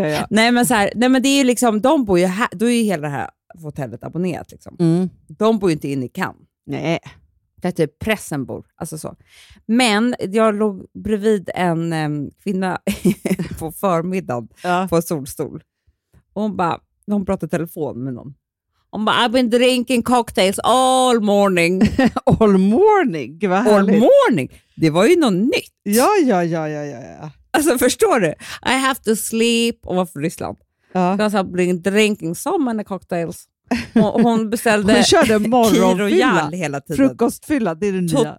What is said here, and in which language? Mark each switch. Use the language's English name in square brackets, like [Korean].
[Swedish] Nej, men så här, nej, men det är ju liksom, de bor ju här, då är ju hela det här hotellet abonnerat liksom. Mm. De bor ju inte inne i Cannes. Nej. Det är typ pressen bor, alltså så. Men jag låg bredvid en kvinna på förmiddagen på en solstol. Och hon bara, hon pratade telefon med någon. Hon bara, [English] I've been drinking cocktails all morning. All morning, [Swedish] vad härligt. [English] All morning, [Swedish] det var ju något nytt. Ja. Alltså förstår du? [English] I have to sleep. [Swedish] Och var från Ryssland. Ja. Så [English] bring drinking summer cocktails. [Swedish] Och hon beställde hon körde morgonfylla hela tiden. Frukostfylla, det är det nya.